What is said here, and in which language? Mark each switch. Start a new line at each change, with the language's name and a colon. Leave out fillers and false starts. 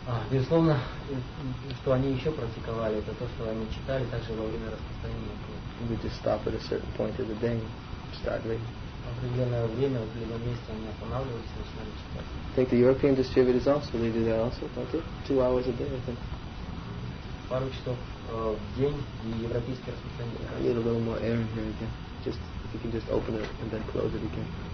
Russian: Безусловно, что они еще практиковали, это то, что они читали также во время распространения.
English: We just stop at a certain point of the day, start reading.
Russian: Определенное время, в любом месте они останавливались и начинали читать.
English: I think the European distributors also, they do that also, don't they? 2 hours a day, I think.
Russian: Пару часов в день и европейские распространения.
English: A little more air in here again. Just, if you can just open it and then close it again.